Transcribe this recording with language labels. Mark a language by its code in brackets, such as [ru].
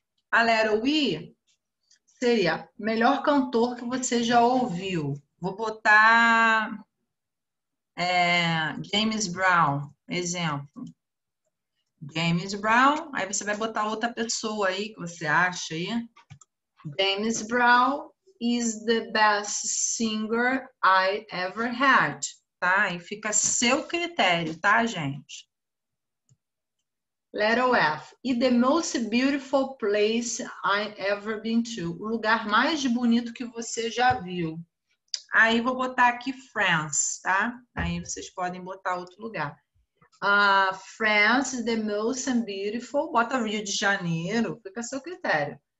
[pt] A letra I seria melhor cantor que você já ouviu. Vou botar James Brown, exemplo. James Brown, aí você vai botar outra pessoa aí que você acha aí. [en] James Brown is the best singer I ever had, tá? [pt] E fica a seu critério, tá, gente? [en] Letter F. E the most beautiful place I ever been to. [pt] O lugar mais bonito que você já viu. Aí vou botar aqui France, tá? Aí vocês podem botar outro lugar. France, [en] the most beautiful. [pt] Bota Rio de Janeiro, fica a seu critério.